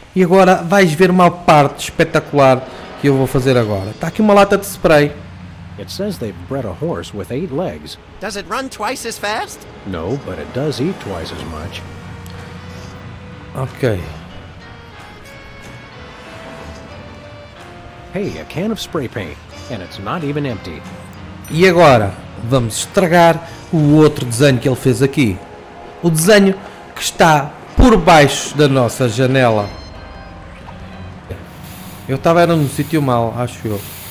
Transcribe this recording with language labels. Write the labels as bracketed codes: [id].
[pt] E agora vais ver uma parte espetacular que eu vou fazer agora. Está aqui uma lata de spray. [en] It says they've bred a horse with 8 legs. Does it run twice as fast? No, but it does eat twice as much. Okay. Hey, a can of spray paint, and it's not even empty. [pt] E agora, vamos estragar o outro desenho que ele fez aqui. O desenho que está por baixo da nossa janela. Eu estava era no sítio mal, acho eu.